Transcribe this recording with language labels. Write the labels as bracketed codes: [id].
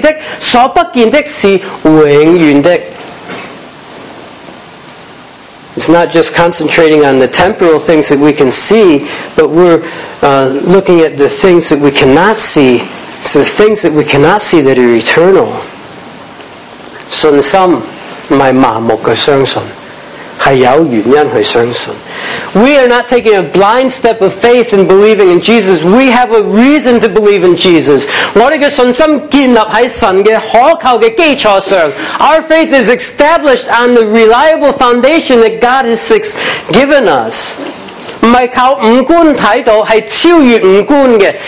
[zh] 原來我們不是顧念所見的，乃是顧念所不見的，因為所見的是暫時的，所不見的是永遠的。 [en] It's not just concentrating on the temporal things that we can see, but we're looking at the things that we cannot see. It's the things that we cannot see that are eternal. [zh] 信心不是盲目的相信，是有原因去相信。 [en] We are not taking a blind step of faith in believing in Jesus. We have a reason to believe in Jesus. [zh] 我们的信心建立在神的可靠的基础上。 [en] Our faith is established on the reliable foundation that God has given us. [zh] 不是靠五官看到，是超越五官的。